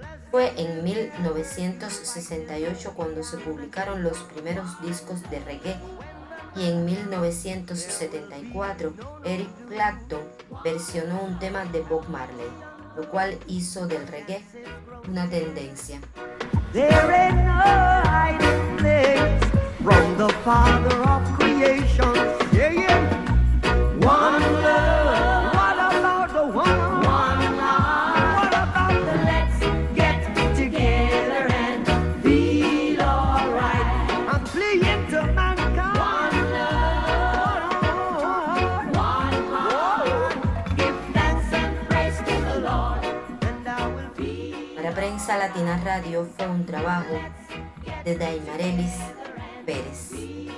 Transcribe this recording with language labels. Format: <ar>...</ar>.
<es>Fue en 1968 cuando se publicaron los primeros discos de reggae y en 1974 Eric Clapton versionó un tema de Bob Marley, lo cual hizo del reggae una tendencia.</es> <en>There ain't no hiding place from the Father of creation. Yeah, yeah. One love. What about the one? One heart. What about the let's get together and feel alright? I'm pleading to mankind. One love. One heart. Give thanks and praise to the Lord. And I will be.</en> <es>Para Prensa Latina Radio fue un trabajo de Daimarelis Pérez.</es>